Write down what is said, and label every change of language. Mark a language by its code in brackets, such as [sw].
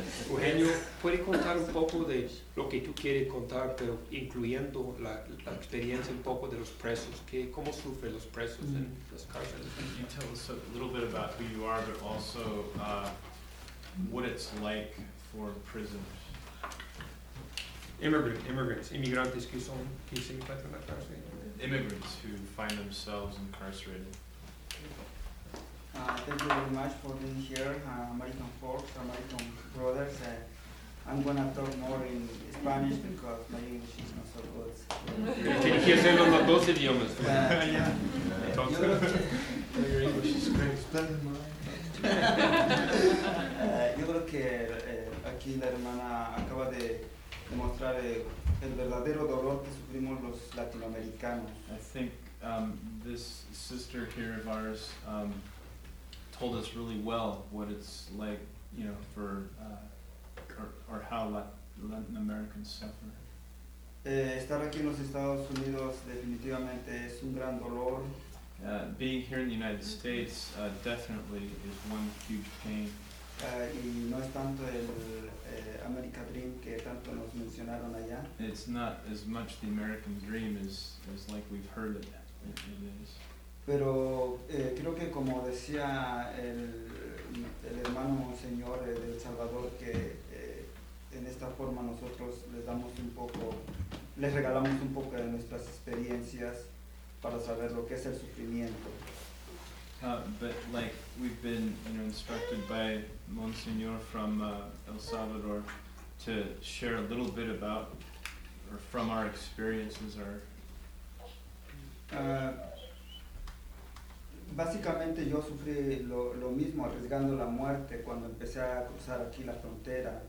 [es] Eugenio, ¿puedes contar un poco de lo que tú quieres contar, pero incluyendo la experiencia un poco de los presos? ¿Qué, cómo sufren los presos en las cárceles? [en] Can you tell us a little bit about who you are, but also what it's like for prisoners? [es] Immigrantes que son, que se encuentran en la cárcel. [en] Immigrants who find themselves incarcerated. Thank you very much for being here, American folks, American brothers. I'm going to talk more in Spanish because my English is not so good. [es] Tiene que hacerlo en los dos idiomas. [en] Your English is great. Spend [es] yo creo que aquí la hermana acaba de demostrar el verdadero dolor que sufrimos los latinoamericanos. [en] I think this sister here of ours told us really well what it's like, you know, for or how Latin Americans suffer. [es] Estar aquí en los Estados Unidos definitivamente es un gran dolor. [en] Being here in the United States definitely is one huge pain. [es] Y no es tanto el America Dream que tanto nos mencionaron allá. [en] It's not as much the American Dream as like we've heard it is. [es] Pero creo que como decía el hermano señor del Salvador que en esta forma nosotros les damos un poco, les regalamos un poco de nuestras experiencias para saber lo que es el sufrimiento. [en] But like we've been, you know, instructed by Monsignor from El Salvador to share a little bit about or from our experiences or. [es] Básicamente yo sufrí lo mismo arriesgando la muerte cuando empecé a cruzar aquí la frontera.